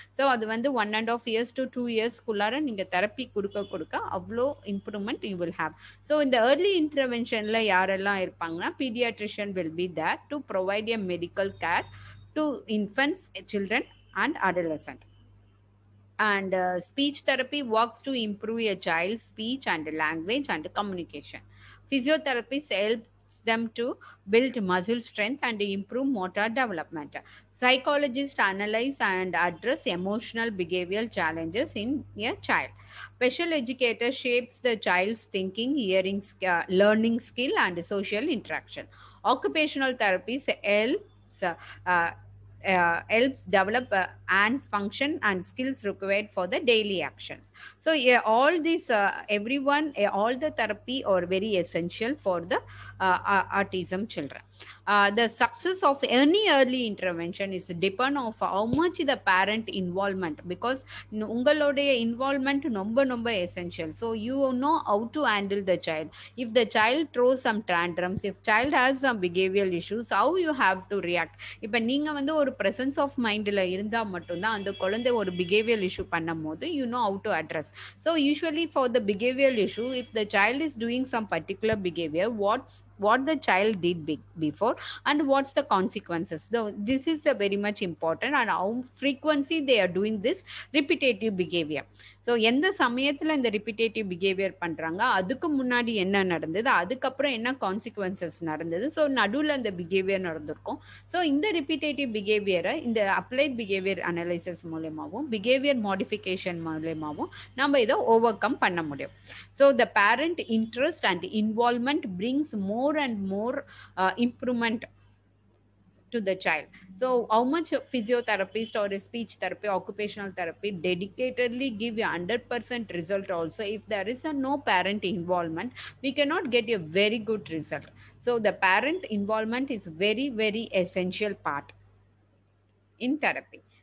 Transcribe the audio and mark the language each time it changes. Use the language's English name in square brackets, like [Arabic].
[Tamil] So அது வந்து 1.5 years to 2 years குள்ளார நீங்க தெரப்பி கொடுக்க கொடுக்க அவ்வளோ improvement [English] You will have. [Tamil] So இந்த ஏர்லி இன்டர்வென்ஷன்ல யாரெல்லாம் இருப்பாங்கன்னா [English] Paediatrician will be there to provide a medical care to infants, children and adolescent. And speech therapy works to improve a child's speech and language and communication. Physiotherapists helps them to build muscle strength and improve motor development. Psychologists analyze and address emotional behavioral challenges in a child. Special educator shapes the child's thinking, hearing, learning skill and social interaction. Occupational therapists helps helps develop hands function and skills required for the daily actions. So all these everyone all the therapy are very essential for the autism children. The success of any early intervention is depend of how much the parent involvement, because [Tamil] ungalaude [English] involvement number number essential. So you know how to handle the child. If the child throws some tantrums, if child has some behavioral issues, how you have to react. [Tamil] இப்ப நீங்க வந்து ஒரு [English] presence of mind [Tamil] ல இருந்தா மட்டும்தான் அந்த குழந்தை ஒரு behavioral issue பண்ணும்போது [English] you know how to address. So usually for the behavioral issue, if the child is doing some particular behavior, what the child did before and what's the consequences. So this is very much important, and how frequency they are doing this repetitive behavior. [Tamil] So எந்த சமயத்தில் இந்த repetitive behaviour பண்ணுறாங்க, அதுக்கு முன்னாடி என்ன நடந்தது, அதுக்கப்புறம் என்ன கான்சிக்வன்சஸ் நடந்தது, ஸோ நடுவில் அந்த பிஹேவியர் நடந்திருக்கும். ஸோ இந்த ரிப்பிட்டேட்டிவ் பிஹேவியரை இந்த applied behaviour analysis மூலயமாகவும் behaviour modification மூலயமாகவும் நம்ம இதை ஓவர் கம் பண்ண முடியும். [English] So the parent interest and involvement brings more and more improvement to the child. So how much a physiotherapist or a speech therapy, occupational therapy dedicatedly give you 100% result also, if there is a no parent involvement, we cannot get a very good result. So the parent involvement is very, very essential part in therapy.